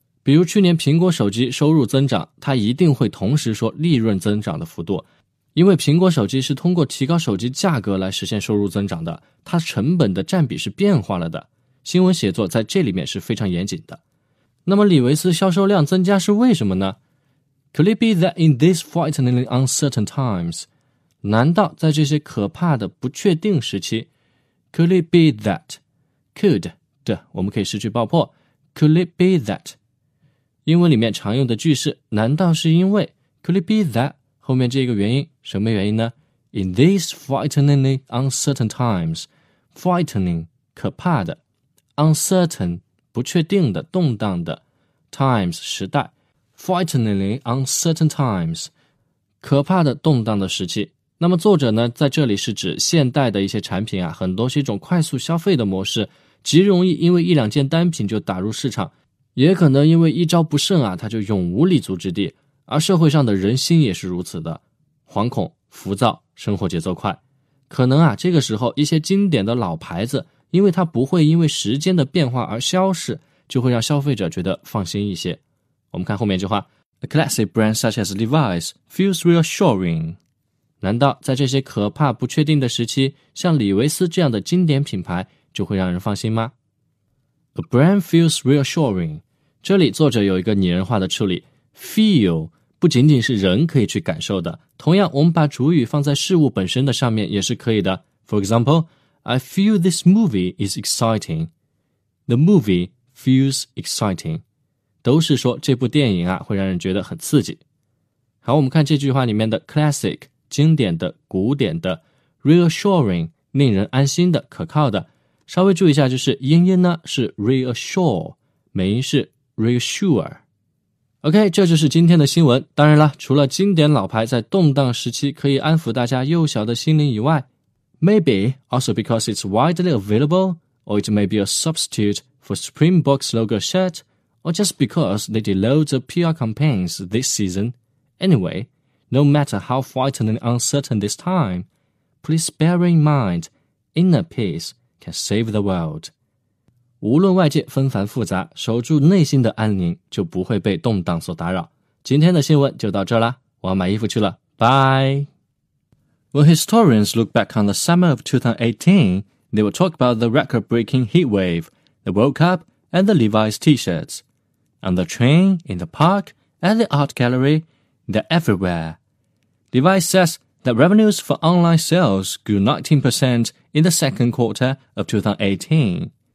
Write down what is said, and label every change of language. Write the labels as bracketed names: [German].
[Chinese] 比如去年苹果手机收入增长，它一定会同时说利润增长的幅度。因为苹果手机是通过提高手机价格来实现收入增长的，它成本的占比是变化了的。新闻写作在这里面是非常严谨的。那么李维斯销售量增加是为什么呢？ [English] Could it be that in these frighteningly uncertain times? [Chinese] 难道在这些可怕的不确定时期？ [English] Could it be that? [Chinese] Could 的我们可以失去爆破。 [English] Could it be that? [Chinese] 英文里面常用的句式，难道是因为？ [English] Could it be that? [Chinese] 后面这个原因，什么原因呢？ [English] In these frighteningly uncertain times, [Chinese] frightening, 可怕的。 Uncertain, 不确定的、动荡的 times, 时代 [English] frighteningly uncertain times, [Chinese] 可怕的、动荡的时期。那么作者呢，在这里是指现代的一些产品啊，很多是一种快速消费的模式，极容易因为一两件单品就打入市场，也可能因为一招不慎啊，它就永无立足之地。而社会上的人心也是如此的，惶恐、浮躁，生活节奏快，可能啊，这个时候一些经典的老牌子，因为它不会因为时间的变化而消逝，就会让消费者觉得放心一些。我们看后面这句话， [English] A classic brand such as Levi's feels reassuring. [Chinese] 难道在这些可怕不确定的时期，像李维斯这样的经典品牌就会让人放心吗？ [English] A brand feels reassuring. [Chinese] 这里作者有一个拟人化的处理， feel 不仅仅是人可以去感受的，同样我们把主语放在事物本身的上面也是可以的。 [English] For example,I feel this movie is exciting. The movie feels exciting. [Chinese] 都是说这部电影啊会让人觉得很刺激。好，我们看这句话里面的 classic, 经典的、古典的， reassuring, 令人安心的、可靠的。稍微注意一下，就是英音呢是 reassure, 美音是 reassure。 OK, 这就是今天的新闻。当然了，除了经典老牌在动荡时期可以安抚大家幼小的心灵以外， [English] Maybe also because it's widely available, or it may be a substitute for Springboks logo shirt, or just because they did loads of PR campaigns this season. Anyway, no matter how frightening and uncertain this time, please bear in mind, inner peace can save the world. [Chinese] 无论外界纷繁复杂，守住内心的安宁就不会被动荡所打扰。今天的新闻就到这啦，我要买衣服去了，拜。 [English] When historians look back on the summer of 2018, they will talk about the record-breaking heat wave, the World Cup, and the Levi's t-shirts. On the train, in the park, at the art gallery, they're everywhere. Levi's says that revenues for online sales grew 19% in the second quarter of 2018.